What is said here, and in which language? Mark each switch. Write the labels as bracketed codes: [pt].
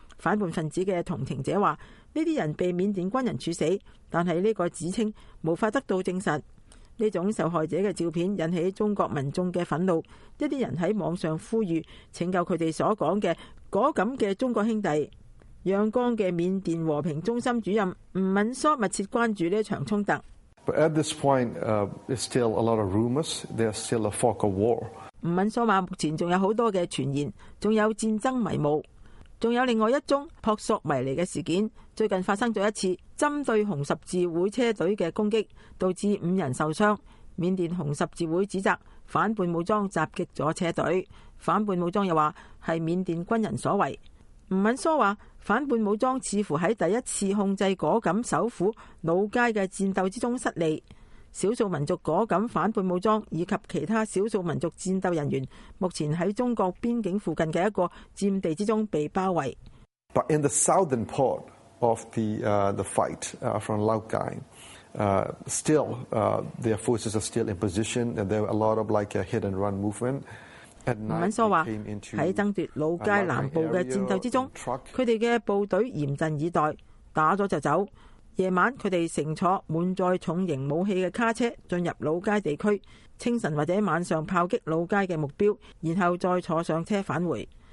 [zh] 反叛分子的同情者说，这些人被缅甸军人处死，但是这个指称无法得到证实。这种受害者的照片引起中国民众的愤怒，一些人在网上呼吁拯救他们所说的果敢的中国兄弟。仰光的缅甸和平中心主任吴敏梭密切关注这场冲突。 [en] But at this point, there's still a lot of rumors. There's still a fog of war. [zh] 吴敏梭说，目前还有很多的传言，还有战争迷雾。还有另外一宗扑朔迷离的事件，最近发生了一次针对红十字会车队的攻击，导致五人受伤。缅甸红十字会指责反叛武装袭击了车队，反叛武装又说是缅甸军人所为。吴敏梭说，反叛武装似乎在第一次控制果敢首府老街的战斗之中失利，少数民族果敢反叛武装以及其他少数民族战斗人员目前在中国边境附近的一个占地之中被包围。 [en] But in the southern part of the fight from Lao Cai, still their forces are still in position and there are a lot of like a hit and run movement. [zh] 吴敏梭说，在争夺老街南部的战斗之中，他们的部队严阵以待，打了就走。夜晚他们乘坐满载重型武器的卡车进入老街地区，清晨或者晚上炮击老街的目标，然后再坐上车返回。